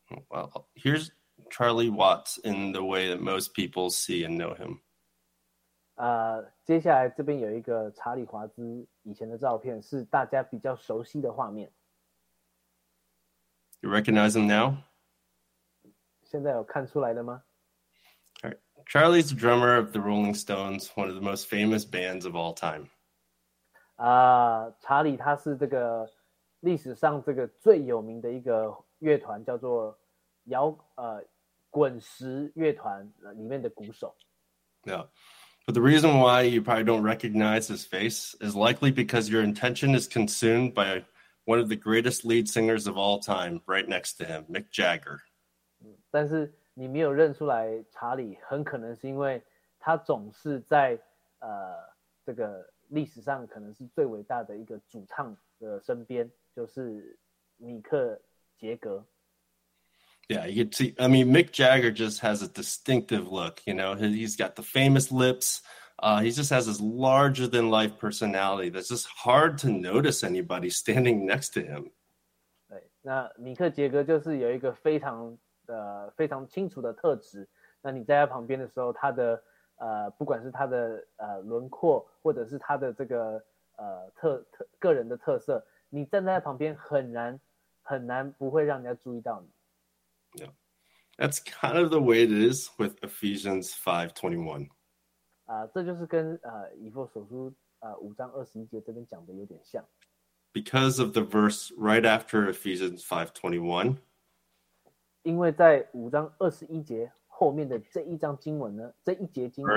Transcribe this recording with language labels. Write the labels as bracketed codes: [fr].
[en] Well, here's Charlie Watts in the way that most people see and know him. [zh] 接下来这边有一个查理华兹以前的照片，是大家比较熟悉的画面。 [en] You recognize him now? [zh] 现在有看出来的吗？ [en] All right. Charlie's the drummer of the Rolling Stones, one of the most famous bands of all time. [zh] 查理他是这个历史上这个最有名的一个乐团，叫做滚石乐团里面的鼓手。 [en] Yeah. But the reason why you probably don't recognize his face is likely because your attention is consumed by one of the greatest lead singers of all time right next to him, Mick Jagger. [zh] 但是你没有认出来查理，很可能是因为他总是在这个历史上可能是最伟大的一个主唱的身边，就是米克杰格。 [en] Yeah, you could see, I mean, Mick Jagger just has a distinctive look, you know, he's got the famous lips, he just has this larger-than-life personality that's just hard to notice anybody standing next to him. [zh] 对，那米克杰格就是有一个非常非常清楚的特质，那你在他旁边的时候，他的不管是他的轮廓，或者是他的这个个人的特色，你站在他旁边很难很难不会让人家注意到你。 [en] Yeah. That's kind of the way it is with Ephesians 5:21. [zh] 这就是跟以弗所书五章二十一节这边讲的有点像。 [en] Because of the verse right after Ephesians 5:21. [zh] 因为在五章二十一节后面的这一章经文呢，这一节经文。